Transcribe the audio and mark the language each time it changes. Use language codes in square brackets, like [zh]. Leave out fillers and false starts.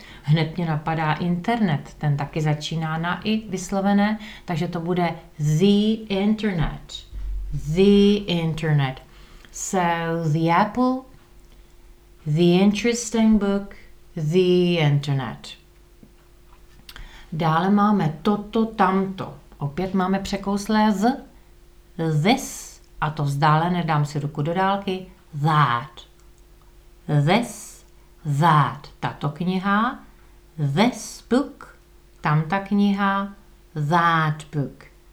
[cs] Hned mě napadá internet, ten taky začíná na i vyslovené, takže to bude [en] the internet. The internet. So the apple, the interesting book, the internet. [cs] Dále máme toto, tamto. Opět máme překouslé z, this, a to vzdálené, dám si ruku do dálky, that. [en] This, that, [cs] tato kniha, [en] this book, [cs] tamta kniha, [en] that book.